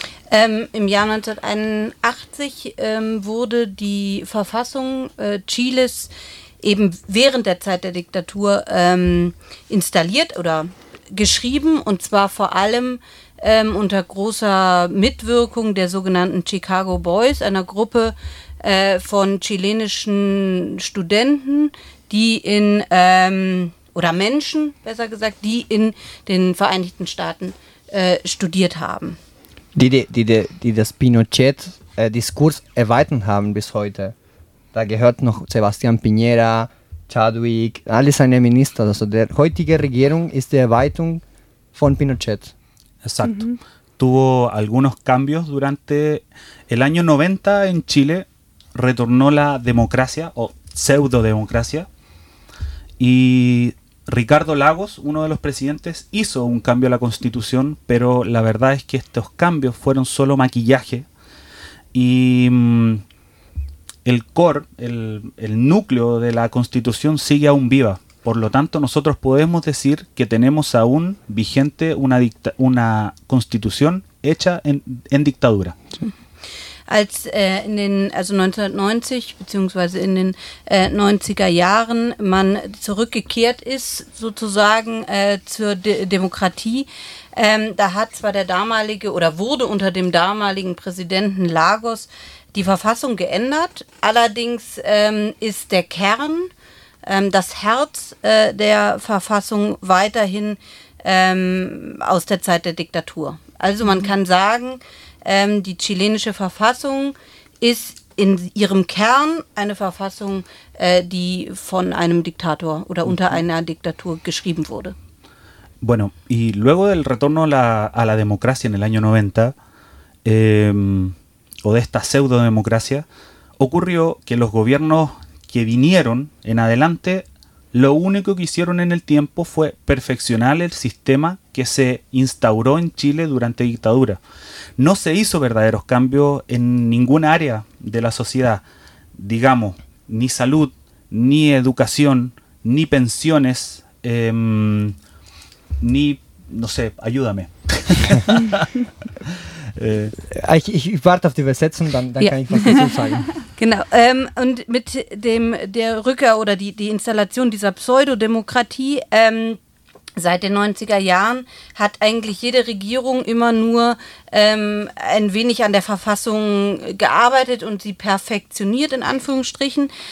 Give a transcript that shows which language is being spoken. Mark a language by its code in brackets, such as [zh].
[de] Im Jahr 1981 wurde die Verfassung Chiles eben während der Zeit der Diktatur installiert oder geschrieben, und zwar vor allem unter großer Mitwirkung der sogenannten Chicago Boys, einer Gruppe von chilenischen Studenten, die in, oder Menschen, besser gesagt, die in den Vereinigten Staaten studiert haben. Die das Pinochet-Diskurs erweitert haben bis heute. Da gehört noch Sebastián Piñera, Chadwick, alle seine Minister. Also der heutige Regierung ist die Erweiterung von Pinochet. [es] Exacto. Mhm. Tuvo algunos cambios durante el año 90 en Chile. Retornó la democracia o pseudo-democracia. Y Ricardo Lagos, uno de los presidentes, hizo un cambio a la constitución, pero la verdad es que estos cambios fueron solo maquillaje. Y el core, el núcleo de la constitución sigue aún viva. Por lo tanto, nosotros podemos decir que tenemos aún vigente una constitución hecha en dictadura. [de] Als in den, also 1990 beziehungsweise in den 90er Jahren man zurückgekehrt ist sozusagen zur Demokratie, da hat zwar der damalige oder wurde unter dem damaligen Präsidenten Lagos die Verfassung geändert, allerdings ist der Kern, das Herz der Verfassung weiterhin aus der Zeit der Diktatur. Also man kann sagen, die chilenische Verfassung ist in ihrem Kern eine Verfassung, die von einem Diktator oder unter einer Diktatur geschrieben wurde. [es] Bueno, y luego del retorno a la democracia en el año 90, o de esta pseudo-democracia, ocurrió que los gobiernos que vinieron en adelante, lo único que hicieron en el tiempo fue perfeccionar el sistema que se instauró en Chile durante dictadura. No se hizo verdaderos cambios en ninguna área de la sociedad, digamos, ni salud, ni educación, ni pensiones, ni, no sé, ayúdame. [de] Ich warte auf die Übersetzung, dann yeah. Kann ich was dazu sagen. Genau, und mit der Rückkehr oder die Installation dieser Pseudodemokratie seit den 90er Jahren hat eigentlich jede Regierung immer nur ein wenig an der Verfassung gearbeitet und sie perfektioniert, in Anführungsstrichen.